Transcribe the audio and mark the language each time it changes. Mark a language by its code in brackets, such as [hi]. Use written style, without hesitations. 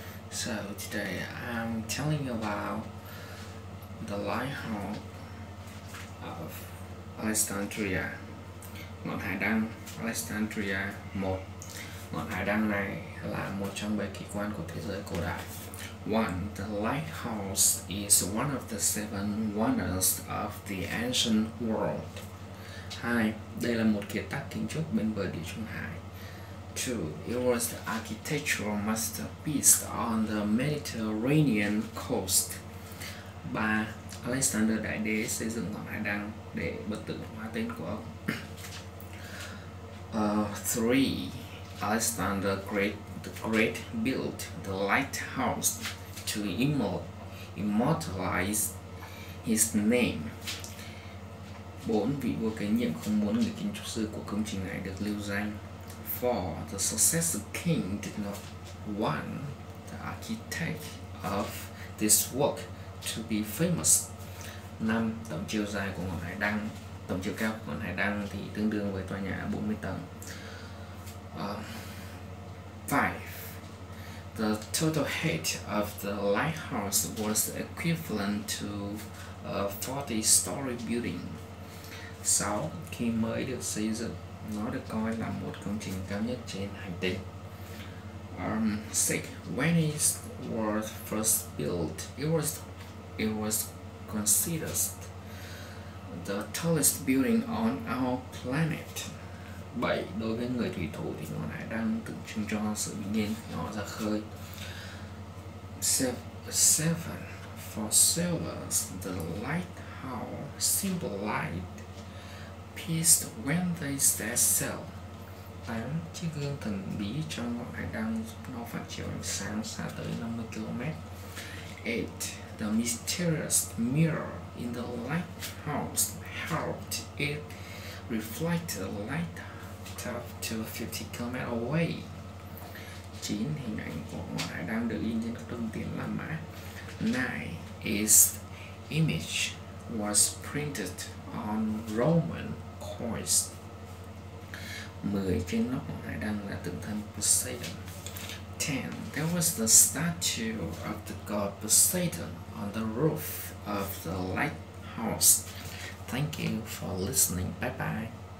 [en] So today I'm telling you about the lighthouse of Alexandria, [vi] Ngọn Hải Đăng, [en] Alexandria 1. [vi] Ngọn Hải Đăng này là một trong 7 kỳ quan của thế giới cổ đại. 1. [en] The lighthouse is one of the 7 wonders of the ancient world. 2. [vi] Đây là một kiệt tác kiến trúc bên bờ Địa Trung Hải. 2. [en] It was the architectural masterpiece on the Mediterranean coast. 3. [vi] Alexander Đại Đế xây dựng Ngọn Hải Đăng để bức tượng hóa tên của ông. 3. [en] Alexander the Great built the lighthouse to immortalize his name. 4. [vi] Vị vua kế nhiệm không muốn người kiến trúc sư của công trình này được lưu danh. 4. [en] The successor king did not want the architect of this work to be famous. 5. [vi] Tổng chiều dài của Ngọn Hải Đăng. Tổng chiều cao của Ngọn Hải Đăng thì tương đương với tòa nhà 40 tầng. 5. [en] The total height of the lighthouse was equivalent to a 40-story building. 6. [vi] Khi mới được xây dựng, nó được coi là một công trình cao nhất trên hành tinh. 6. [en] When it was first built, it was considered the tallest building on our planet. 7. [vi] Đối với người thủy thủ thì Ngọn Hải Đăng tượng trưng cho sự bình yên khi họ ra khơi. 7. [en] For sailors, the lighthouse symbolized peace when they set sail. 8. [vi] Chiếc gương thần bí trong Ngọn Hải Đăng giúp nó phát triển ánh sáng xa tới 50 km. 8. [en] The mysterious mirror in the lighthouse helped it reflect the light up to 50 km away. 9. [vi] Hình ảnh của Ngọn Hải Đăng được in trên các đồng tiền La Mã. 9. [en] Its image was printed on Roman coins. 10. [vi] Trên nóc Ngọn Hải Đăng là tượng thần Poseidon. 10. [en] There was the statue of the god Poseidon on the roof of the lighthouse. Thank you for listening. Bye bye.